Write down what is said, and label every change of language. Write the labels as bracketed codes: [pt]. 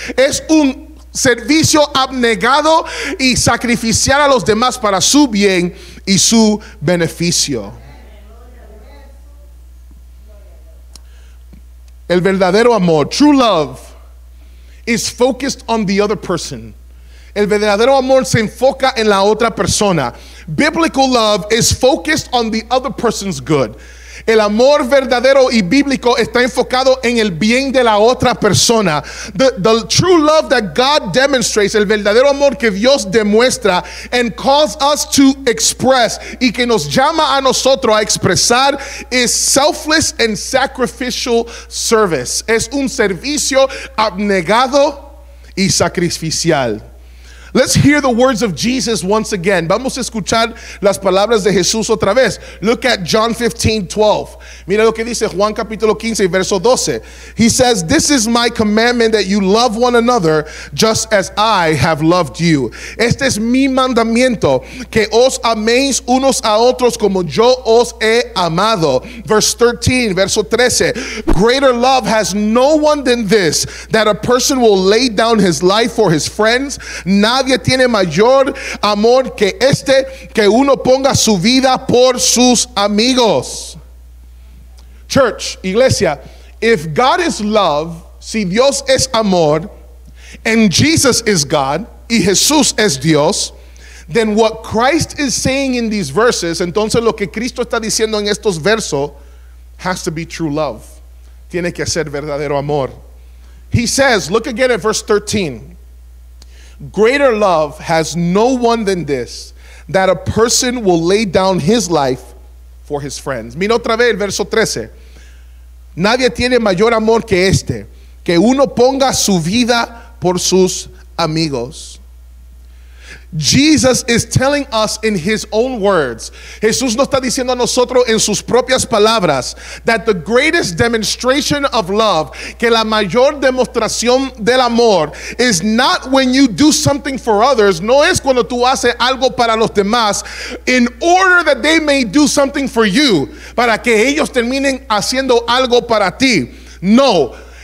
[es] Es un servicio abnegado y sacrificial a los demás para su bien y su beneficio. El verdadero amor, [en] true love, is focused on the other person. [es] El verdadero amor se enfoca en la otra persona. [en] Biblical love is focused on the other person's good. [es] El amor verdadero y bíblico está enfocado en el bien de la otra persona. [en] The true love that God demonstrates, [es] el verdadero amor que Dios demuestra [en] and calls us to express [es] y que nos llama a nosotros a expresar, [en] is selfless and sacrificial service. [es] Es un servicio abnegado y sacrificial. [en] Let's hear the words of Jesus once again. [es] Vamos a escuchar las palabras de Jesús otra vez. [en] Look at John 15, 12. [es] Mira lo que dice Juan capítulo 15, verso 12. [en] He says, "This is my commandment, that you love one another just as I have loved you." [es] Este es mi mandamiento, que os améis unos a otros como yo os he amado. [en] Verse 13, [es] verso 13. [en] "Greater love has no one than this, that a person will lay down his life for his friends." [es] Nadie tiene mayor amor que este, que uno ponga su vida por sus amigos. [en] Church, iglesia, if God is love, [es] si Dios es amor, [en] and Jesus is God, [es] y Jesús es Dios, [en] then what Christ is saying in these verses, [es] entonces lo que Cristo está diciendo en estos versos, [en] has to be true love. [es] Tiene que ser verdadero amor. [en] He says, look again at verse 13. "Greater love has no one than this, that a person will lay down his life for his friends." [es] Mira otra vez el verso 13. Nadie tiene mayor amor que este, que uno ponga su vida por sus amigos. [en] Jesus is telling us in his own words. [es] Jesús nos está diciendo a nosotros en sus propias palabras, [en] that the greatest demonstration of love, [es] que la mayor demostración del amor, [en] is not when you do something for others, [es] no es cuando tú haces algo para los demás, [en] in order that they may do something for you, [es] para que ellos terminen haciendo algo para ti. No.